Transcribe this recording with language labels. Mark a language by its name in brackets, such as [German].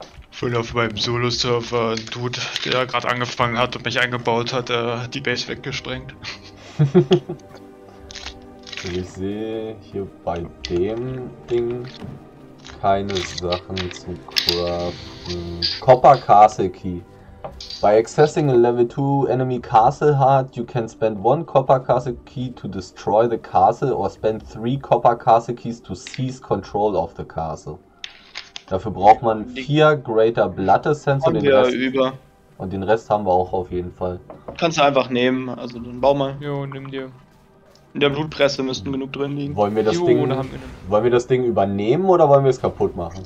[German] Ich bin auf meinem Solo-Server ein Dude, der gerade angefangen hat und mich eingebaut hat, die Base weggesprengt. Ich sehe hier bei dem Ding keine Sachen zu craften. [English] Copper Castle Key. By accessing a level 2 enemy castle heart, you can spend 1 copper castle key to destroy the castle or spend 3 copper castle keys to seize control of the castle. [German] Dafür braucht man 4 Greater Blood Essence und den Rest. Über. Und den Rest haben wir auch auf jeden Fall. Kannst du einfach nehmen, also dann bau mal. Jo, nimm dir. In der Blutpresse müssten genug drin liegen. Wollen wir das Ding? Wollen wir das Ding übernehmen oder wollen wir es kaputt machen?